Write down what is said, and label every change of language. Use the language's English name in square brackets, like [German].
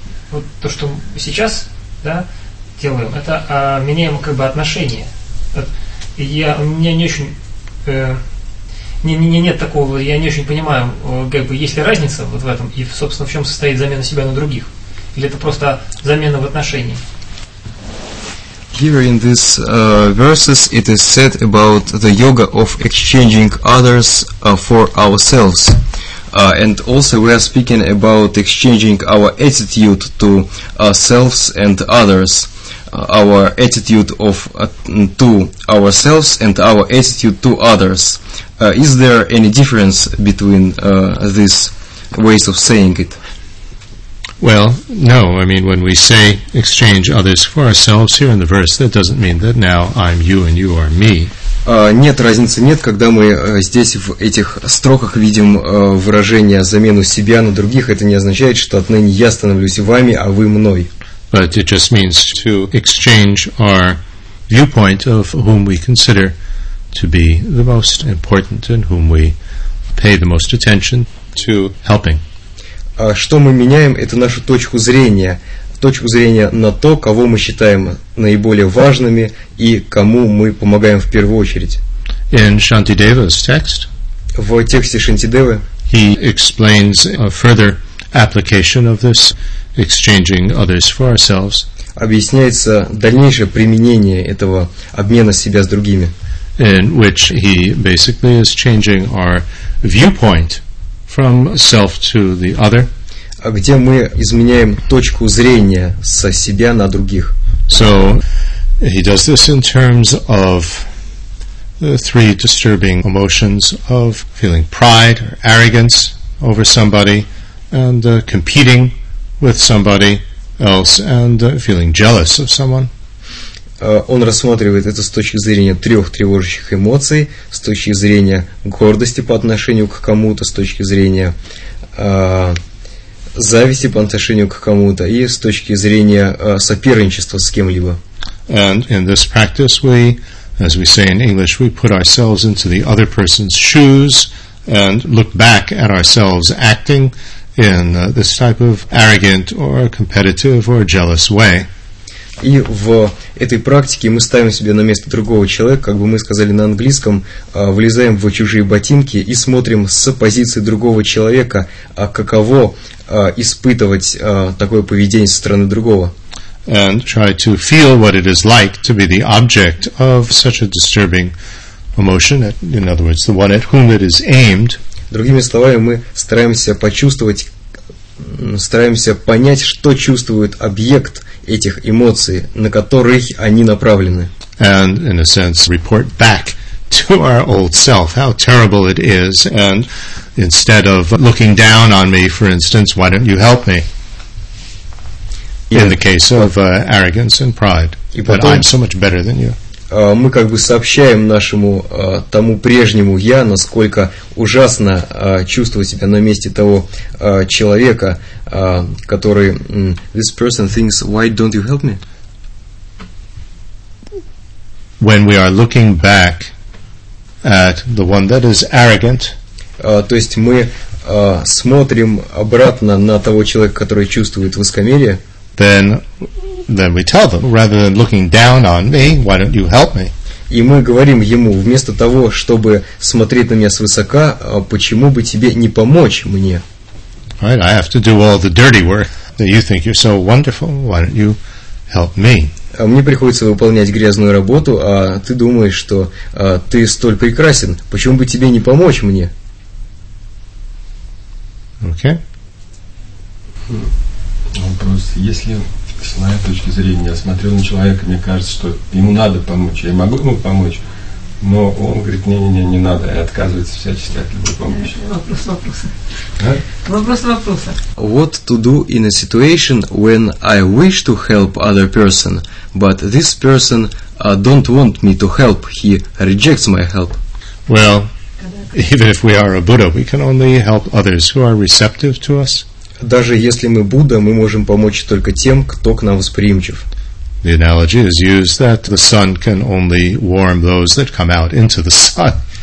[Russian] Вот то, что сейчас, да, делаем, это меняем как бы отношения. Я не очень понимаю, как бы есть ли разница вот в этом, и, собственно, в чем состоит замена себя на других? Или это просто замена в отношении? [English] Here in this verses it is said about the yoga of exchanging others for ourselves. And also we are speaking about exchanging our attitude to ourselves and others. Our attitude of to ourselves and our attitude to others. Is there any difference between these ways of saying it? Well, no. I mean, when we say exchange others for ourselves here in the verse, that doesn't mean that now I'm you and you are me. [Russian] Нет, разницы нет, когда мы здесь в этих строках видим выражение замену себя на других, это не означает, что отныне я становлюсь вами, а вы мной. [English] But it just means to exchange our viewpoint of whom we consider to be the most important and whom we pay the most attention to helping. [Russian] Что мы меняем, это нашу точку зрения на то, кого мы считаем наиболее важными и кому мы помогаем в первую очередь. [English] In Shantideva's text, [Russian] в тексте Шантидевы, [English] He explains a further application of this, exchanging others for ourselves. [Russian] Объясняется дальнейшее применение этого обмена себя с другими. [English] In which he basically is changing our viewpoint from self to the other. [Russian] Где мы изменяем точку зрения со себя на других. [English] So, he does this in terms of the three disturbing emotions of feeling pride or arrogance over somebody and competing with somebody else and feeling jealous of someone. [Russian] Он рассматривает это с точки зрения трех тревожащих эмоций, с точки зрения гордости по отношению к кому-то, с точки зрения зависти по отношению к кому-то и с точки зрения соперничества с кем-либо. [English] And in this practice we, as we say in English, we put ourselves into the other person's shoes and look back at ourselves acting in this type of arrogant or competitive or jealous way. [Russian] И в этой практике мы ставим себя на место другого человека, как бы мы сказали на английском, влезаем в чужие ботинки и смотрим с позиции другого человека, каково испытывать такое поведение со стороны другого. [English] And try to feel what it is like to be the object of such a disturbing emotion, in other words, the one at whom it is aimed. [Russian] Другими словами, мы стараемся почувствовать, стараемся понять, что чувствует объект этих эмоций, на которых они направлены. [English] And in a sense, report back to our old self how terrible it is, and instead of looking down on me, for instance, why don't you help me? In the case of arrogance and pride, but I'm so much better than you. [Russian] Мы как бы сообщаем нашему тому прежнему я, насколько ужасно чувствовать себя на месте того человека, который [English] this person thinks, why don't you help me? When we are looking back at the one that is arrogant, [Russian] то есть мы смотрим обратно на того человека, который чувствует высокомерие. [English] Then we tell them, rather than looking down on me, why don't you help me? [Russian] И мы говорим ему, вместо того, чтобы смотреть на меня свысока, почему бы тебе не помочь мне? [English] Right, I have to do all the dirty work that you think you're so wonderful, why don't you help me? [Russian] Мне приходится выполнять грязную работу, а ты думаешь, что ты столь прекрасен, почему бы тебе не помочь мне? [English] Okay. [Russian] Вопрос. Если с моей точки зрения я смотрю на человека, мне кажется, что ему надо помочь, я могу ему помочь, но он говорит, не надо, и отказывается всячески от любой помощи. Вопрос. [English] What to do in a situation when I wish to help other person, but this person don't want me to help, he rejects my help? Well, even if we are a Buddha, we can only help others who are receptive to us. [Russian] Даже если мы Будда, мы можем помочь только тем, кто к нам восприимчив. [English] The analogy is used that the sun can only warm those that come out into the sun.